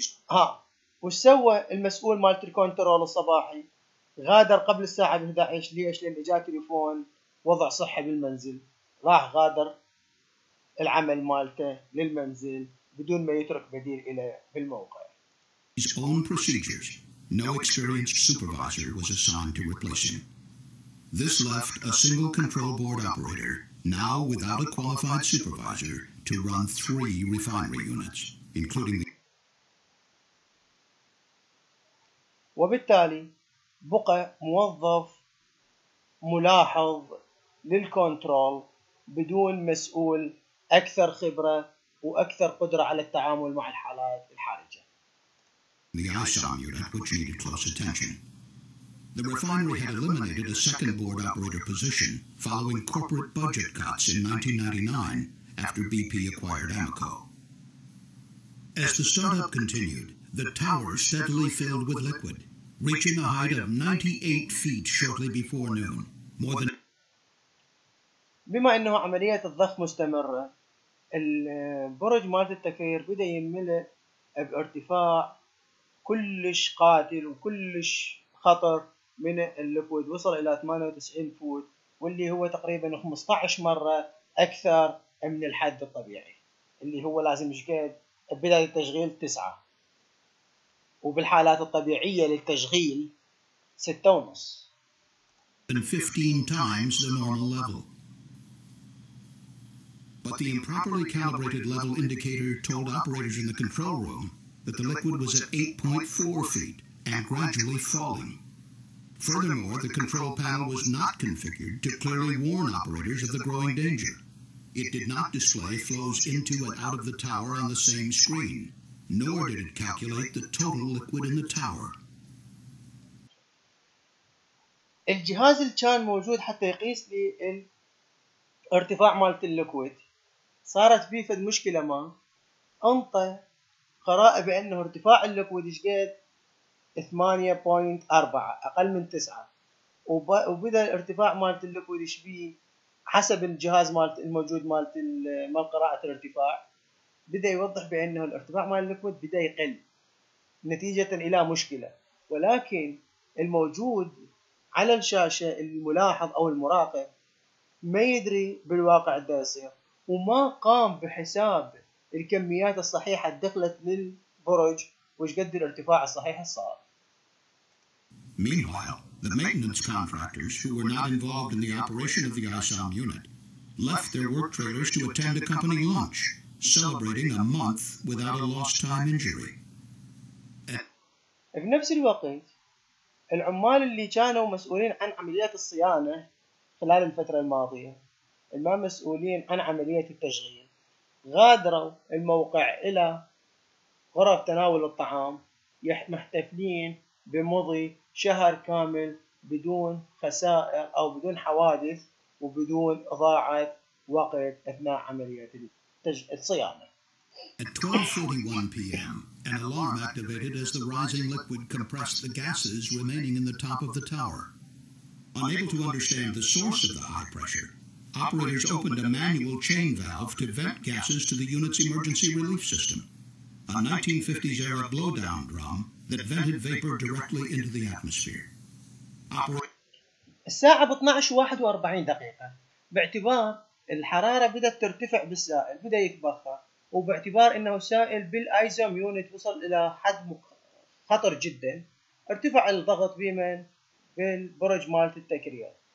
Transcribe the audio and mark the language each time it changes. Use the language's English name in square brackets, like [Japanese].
[Arabic] ها وش سوى المسؤول مالت الكنترول الصباحي؟ غادر قبل الساعة 11. ليش؟ لأن جاء تليفون وضع صحي بالمنزل، راح غادر العمل مالته للمنزل بدون ما يترك بديل إلى بالموقع. [English] His own procedures. No experienced supervisor was assigned to replace him. This left a single control board operator, now without a qualified supervisor, to run 3 refinery units, including the... [Arabic] وبالتالي بقى موظف ملاحظ للكنترول بدون مسؤول أكثر خبرة وأكثر قدرة على التعامل مع الحالات الحرجة. [English] The ISOM unit, which needed close attention. The refinery had eliminated a second board operator position following corporate budget cuts in 1999 after BP acquired Amoco. As the startup continued, the tower steadily filled with liquid, reaching a height of 98 feet shortly before noon. More than [Arabic] بما انه عملية الضخ مستمرة، البرج مالت التكير بدأ يملأ بارتفاع كلش قاتل وكلش خطر من الليكويد، وصل الى 98 فوت واللي هو تقريبا 15 مرة اكثر من الحد الطبيعي اللي هو لازم يشقد بداية التشغيل 9، وبالحالات الطبيعية للتشغيل 6.5. [English] And 15 times the normal level. But the improperly calibrated level indicator told operators in the control room that the liquid was at 8.4 feet and gradually falling. Furthermore, the control panel was not configured to clearly warn operators of the growing danger. It did not display flows into and out of the tower on the same screen, nor did it calculate the total liquid in the tower. [Arabic] الجهاز اللي كان موجود حتى يقيس لي الارتفاع مالت الليكويد صارت فيه فد مشكلة، ما انطى قراءة بانه ارتفاع الليكويد شقد 8.4 اقل من 9، وبدأ الارتفاع مالت الليكويد شبيه حسب الجهاز مالت الموجود مالت مال قراءة الارتفاع بدأ يوضح بانه الارتفاع مال الليكويد بدأ يقل نتيجة الى مشكلة، ولكن الموجود على الشاشة الملاحظ أو المراقب ما يدري بالواقع الدراسي وما قام بحساب الكميات الصحيحة دخلت للبرج وش قد الارتفاع الصحيح صار. [English] Meanwhile, the maintenance contractors who were not involved in the operation of the ISOM unit left their work trailers to attend a company lunch, celebrating a month without a lost time injury. [Arabic] في نفس الوقت العمال اللي كانوا مسؤولين عن عمليات الصيانة خلال الفترة الماضية ما مسؤولين عن عملية التشغيل غادروا الموقع إلى غرف تناول الطعام محتفلين بمضي شهر كامل بدون خسائر أو بدون حوادث وبدون إضاعة وقت أثناء عملية الصيانة. [English] At 12:41 p.m., an alarm activated as the rising liquid compressed the gases remaining in the top of the tower. Unable to understand the source of the high pressure, operators opened a manual chain valve to vent gases to the unit's emergency relief system, a 1950s-era blowdown drum that vented vapor directly into the atmosphere. [Arabic] الساعة 12:41 دقيقة باعتبار الحرارة بدأت ترتفع بالسائل بدأ يتبخر وباعتبار انه سائل بالايزوم يونت وصل الى حد خطر جدا ارتفع الضغط بمن بالبرج مالت التكرير،